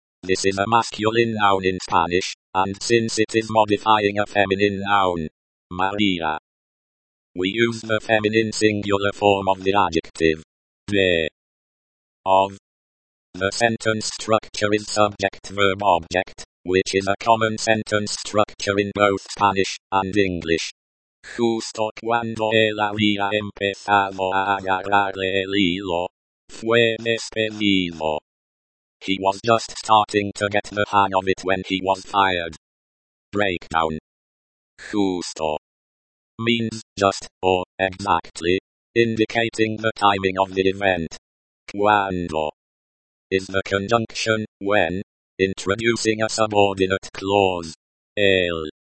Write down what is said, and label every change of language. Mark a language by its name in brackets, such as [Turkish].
[English] This is a masculine noun in Spanish, and since it is modifying a feminine noun, María, we use the feminine singular form of the adjective de, of. The sentence structure is subject-verb-object, which is a common sentence structure in both Spanish and English. [Spanish] Justo cuando él había empezado a agarrarle el hilo, fue despedido. [English] He was just starting to get the hang of it when he was fired. Breakdown. Justo. Means, just, or, exactly, indicating the timing of the event. Cuando. Is the conjunction, when, introducing a subordinate clause. Él.